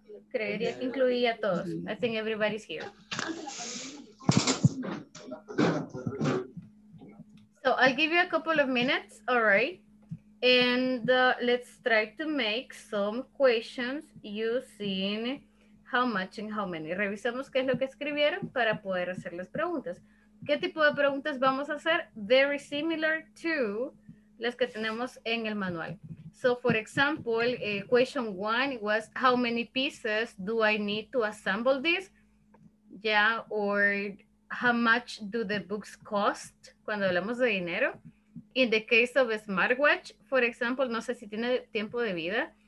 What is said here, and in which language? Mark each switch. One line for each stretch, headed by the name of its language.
Spanish: Creería que incluí a todos.
English: I think everybody's here. So I'll give you a couple of minutes, all right? And let's try to make some questions using how much and how many.
Spanish: Revisamos qué es lo que escribieron para poder hacer las preguntas. ¿Qué tipo de preguntas vamos a hacer?
English: Very similar to
Spanish: las que tenemos en el manual.
English: So, for example, question one was, how many pieces do I need to assemble this? Yeah, or how much do the books cost?
Spanish: Cuando hablamos de dinero.
English: In the case of a smartwatch, for example,
Spanish: no sé si tiene tiempo de vida.